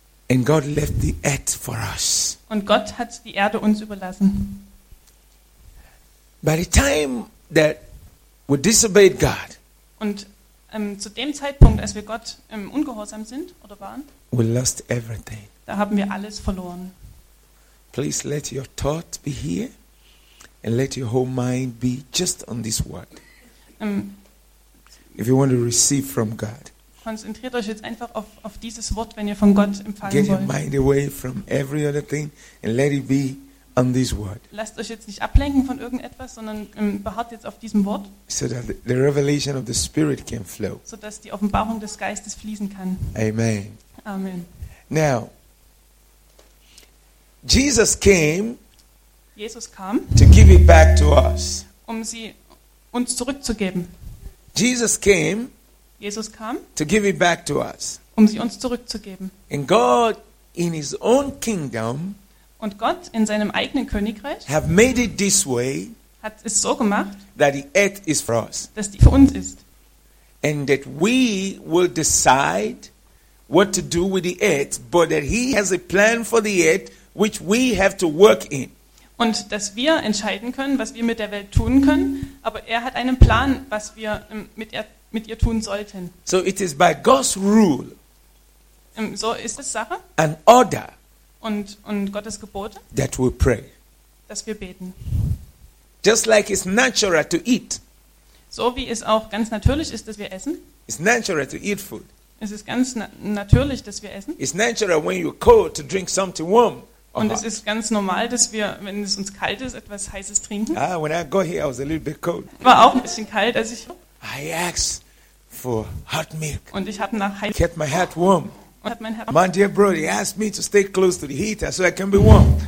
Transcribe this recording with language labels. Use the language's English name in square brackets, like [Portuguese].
[English] And God left the earth for us. [German] Und Gott hat die Erde uns überlassen. [English] By the time that we disobeyed God. [German] Und zu dem Zeitpunkt, als wir Gott ungehorsam sind oder waren, [English] we lost everything. [German] Da haben wir alles verloren. [English] Please let your thought be here and let your whole mind be just on this word. If you want to receive from God. [German] Konzentriert euch jetzt einfach auf dieses Wort, wenn ihr von Gott empfangen wollt. [English] Get your mind away from every other thing and let it be on this word. [German] Lasst euch jetzt nicht ablenken von irgendetwas, sondern beharrt jetzt auf diesem Wort. [English] So that the revelation of the Spirit can flow. [German] So dass die Offenbarung des Geistes fließen kann. [English] Amen. [German] Amen. [English] Now, Jesus came. [German] Jesus kam. [English] To give it back to us. [German] Um sie uns zurückzugeben. [English] Jesus came. [German] Jesus kam. [English] To give it back to us. [German] Um sie uns zurückzugeben. [English] And God in his own kingdom. [German] Und Gott in seinem eigenen Königreich. [English] Have made it this way. [German] Hat es so gemacht. [English] That the earth is for us. [German] Dass die für uns ist. [English] And that we will decide what to do with the earth, but that he has a plan for the earth which we have to work in. [German] Und dass wir entscheiden können, was wir mit der Welt tun können, aber er hat einen Plan, was wir mit ihr tun sollten. [English] So it is by God's rule. [German] So ist es Sache. [English] An order. [German] Und Gottes Gebote. [English] That we pray. [German] dass wir beten. [English] Just like it's natural to eat. [German] So wie es auch ganz natürlich ist, dass wir essen. [English] It's natural to eat food. [German] Es ist ganz natürlich, dass wir essen. [English] It's natural when you're cold to drink something warm. [German] Und es ist ganz normal, dass wir, wenn es uns kalt ist, etwas Heißes trinken. [English] Ah, when I got here, I was a little bit cold. [German] War auch ein bisschen kalt, als ich. [English] I asked for hot milk. [German] Und ich habe nach heißem. [English] Kept my heart warm. [German] Und hat mein Herz. [English] My dear brother, he asked me to stay close to the heater, so I can be warm.